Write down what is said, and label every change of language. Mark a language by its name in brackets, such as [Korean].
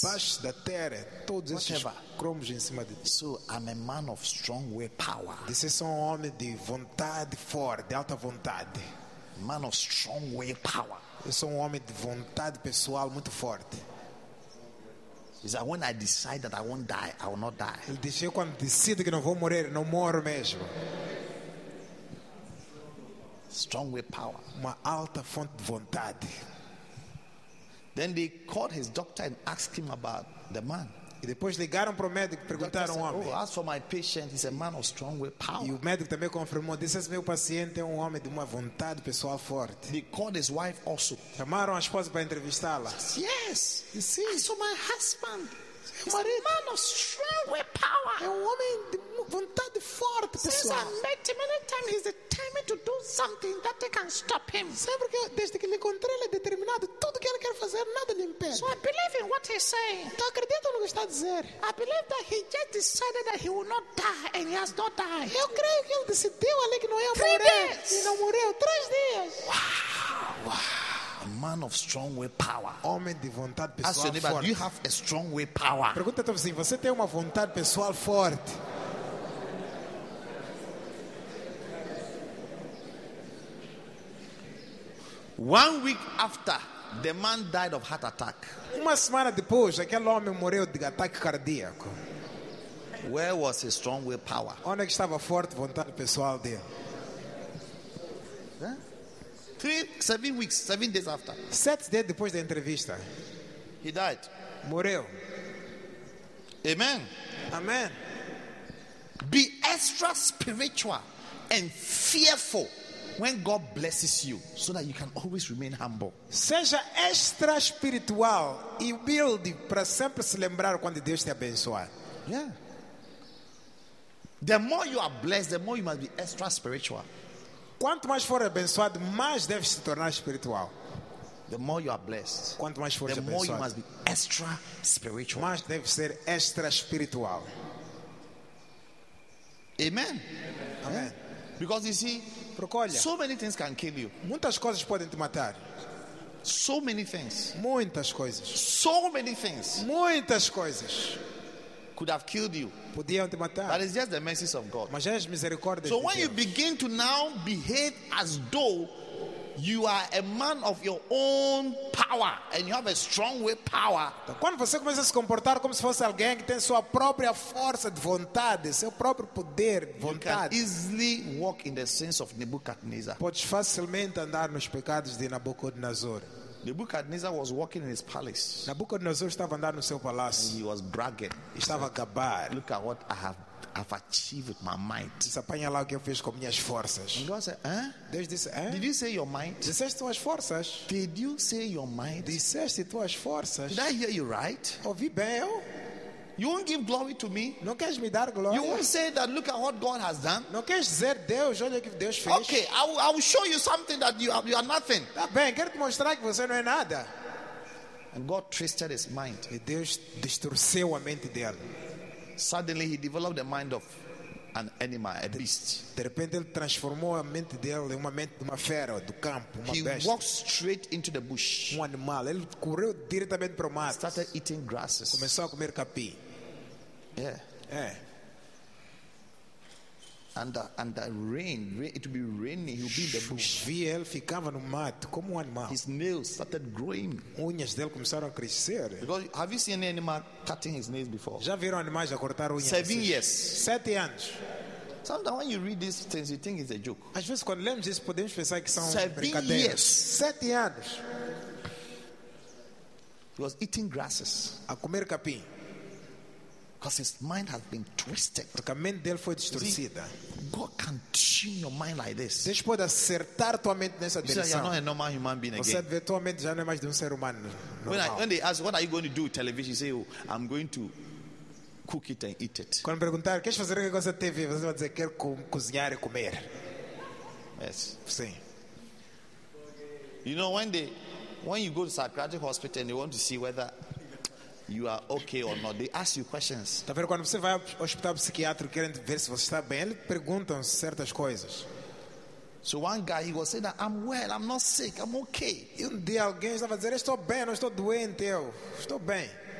[Portuguese] Baixo da terra, todos esses cromos em cima de ti. [English] So I'm a man of strong will power. [Portuguese] Disse, sou um homem de vontade forte, de alta vontade. [English] Man of strong will power. [Portuguese] Eu sou um homem de vontade pessoal muito forte. [English] Is that when I decide that I won't die, I will not die. [Portuguese] Ele disse, eu quando decido que não vou morrer, não moro mesmo. [English] Strong with power. [Portuguese] Uma alta fonte de vontade. [English] Then they called his doctor and asked him about the man. [Portuguese] E depois ligaram para o médico e perguntaram ao homem. [English] Oh, as for my patient, he's a man of strong will power. [Portuguese] E o médico também confirmou, disse, esse meu paciente é um homem de uma vontade pessoal forte. [English] They called his wife also. [Portuguese] Chamaram a esposa para entrevistá-la. [English] Yes, you see? As for my husband, he's a man of strong will power. [Portuguese] É um homem de vontade forte pessoal. [English] Since I met him, many times he's determined to do something that they can stop him. [Portuguese] Sempre que desde que lhe encontrei, ele é determinado. Tudo que ele quer fazer, nada lhe impede. [English] So I believe in what he's saying. [Portuguese] Então acredito no que está a dizer. [English] I believe that he just decided that he will not die and he has not died. [Portuguese] Eu creio que ele decidiu ali que não ia morrer. E não morreu. 3 dias. [English] Wow. A man of strong will power. [Portuguese] Homem de vontade pessoal [English] Ask your neighbor, [Portuguese] forte. [English] Do you have a strong will power? [Portuguese] Pergunta teu vizinho, você tem uma vontade pessoal forte? [English] One week after the man died of heart attack. [Portuguese] Uma semana depois, aquele homem morreu de ataque cardíaco. [English] Where was his strong will power? [Portuguese] Onde estava a forte vontade pessoal dele? [English] 7 weeks, 7 days after. [Portuguese] 7 [English] days [Portuguese] depois da entrevista. [English] He died. [Portuguese] Morreu. [English] Amen. [Portuguese] Amen. [English] Be extra spiritual and fearful when God blesses you so that you can always remain humble. [Portuguese] Seja extra espiritual e humilde para sempre se lembrar quando Deus te abençoa. [English] Yeah. The more you are blessed, the more you must be extra spiritual. [Portuguese] Quanto mais for abençoado, mais deve se tornar espiritual. [English] The more you are blessed, [Portuguese] quanto mais fores [English] the [Portuguese] abençoado, [English] more you must be extra spiritual. [Portuguese] Mais deve ser extra espiritual. [English] Amen. [Portuguese] Amen. [English] Because you see, procolha, so many things can kill you. [Portuguese] Muitas coisas podem te matar. [English] So many things. [Portuguese] Muitas coisas. [English] So many things. [Portuguese] Muitas coisas. [English] Could have killed you. [Portuguese] Podiam te matar. [English] But it's just the mercy of God. [Portuguese] Mas é as misericórdias [English] so [Portuguese] de Deus. [English] When you begin to now behave as though you are a man of your own power and you have a strong way power. [Portuguese] Então, quando você começa a se comportar como se fosse alguém que tem sua própria força de vontade, seu próprio poder de vontade, [English] you can easily walk in the sins of Nebuchadnezzar. [Portuguese] Podes facilmente andar nos pecados de Nabucodonosor. [English] Nebuchadnezzar was walking in his palace. [Portuguese] Nabucodonosor estava andando no seu palácio. [English] And he was bragging. [Portuguese] Ele estava a gabar. [English] Look at what I have achieved with my might. [Portuguese] Apanha lá o que eu fiz com minhas forças. [English] And God said, eh? [Portuguese] Deus disse, eh? [English] Did you say your might? [Portuguese] Disseste tuas forças? [English] Did you say your might? [Portuguese] Disseste tuas forças? [English] Did I hear you right? [Portuguese] Ouvi bem eu? [English] You won't give glory to me. [Portuguese] Não queres me dar glória? [English] You won't say that. Look at what God has done. [Portuguese] Não queres dizer Deus, olha o que Deus fez. [English] Okay, I will show you something that you are nothing. [Portuguese] Tá bem, quero te mostrar que você não é nada. [English] And God twisted his mind. [Portuguese] E Deus distorceu a mente dele. [English] Suddenly he developed the mind of an animal, a beast. [Portuguese] De repente ele transformou a mente dele em uma mente de uma fera, do campo, uma [English] he [Portuguese] besta. [English] He walked straight into the bush. [Portuguese] Um animal. Ele correu diretamente para o mato. [English] Started eating grasses. [Portuguese] Começou a comer capim. [English] Yeah. Yeah. And the rain, it would be raining. He would be in the bush. [Portuguese] Ele ficava no mato como um animal. [English] His nails started growing. [Portuguese] Unhas dele começaram a crescer. [English] Because have you seen any animal cutting his nails before? [Portuguese] Já viram animais a cortar unhas? [English] 7 years. [Portuguese] 7 anos. [English] Sometimes when you read these things, you think it's a joke. [Portuguese] Às vezes quando lemos isso podemos pensar que são brincadeiras. 7 anos. [English] He was eating grasses. [Portuguese] A comer capim. [English] Because his mind has been twisted. [Portuguese] Porque a mente dele foi distorcida. [English] God can tune your mind like this. [Portuguese] Deus pode acertar tua mente nessa direção. Você não é [English] normal human being again. [Portuguese] Você vê tua mente já não é mais de um ser humano normal. [English] When they ask, what are you going to do with television? You say, oh, I'm going to cook it and eat it. [Portuguese] Quando perguntar, queres fazer o que com essa TV? Você vai dizer, quero cozinhar e comer. [English] Yes. [Portuguese] Sim. [English] You know, when you go to psychiatric hospital and they want to see whether you are okay or not, they ask you questions. [Portuguese] Tá vendo, quando você vai ao hospital psiquiátrico querendo ver se você está bem, eles perguntam certas coisas. [English] So one guy, he was saying that I'm well, I'm not sick, I'm okay. [Portuguese] E um dia alguém estava dizendo, estou bem, não estou doente, eu estou bem.